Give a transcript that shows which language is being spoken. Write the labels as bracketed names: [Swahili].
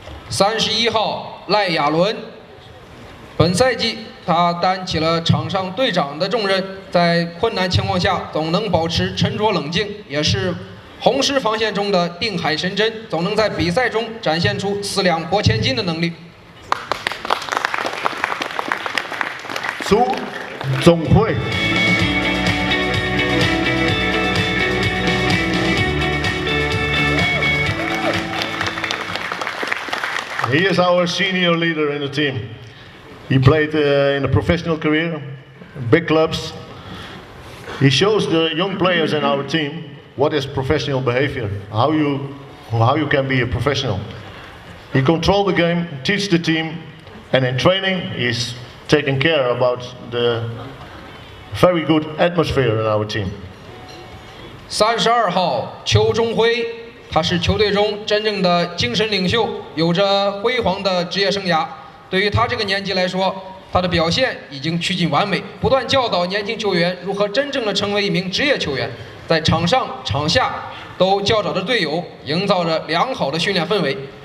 [Chinese] 31号 赖亚伦 本赛季他担起了场上队长的重任, 在困难情况下总能保持沉着冷静, 也是红狮防线中的定海神针, 总能在比赛中展现出四两拨千斤的能力。苏总会 [English] He is our senior leader in the team. He played in a professional career, big clubs. He shows the young players in our team what is professional behavior, how you can be a professional. He controls the game, teaches the team, and in training he's taking care about the very good atmosphere in our team. [Chinese] 32号 邱中辉, 他是球队中真正的精神领袖, 有着辉煌的职业生涯, 对于他这个年纪来说, 他的表现已经趋近完美, 不断教导年轻球员如何真正的成为一名职业球员, 在场上, 场下, 都教导着队友, 营造着良好的训练氛围。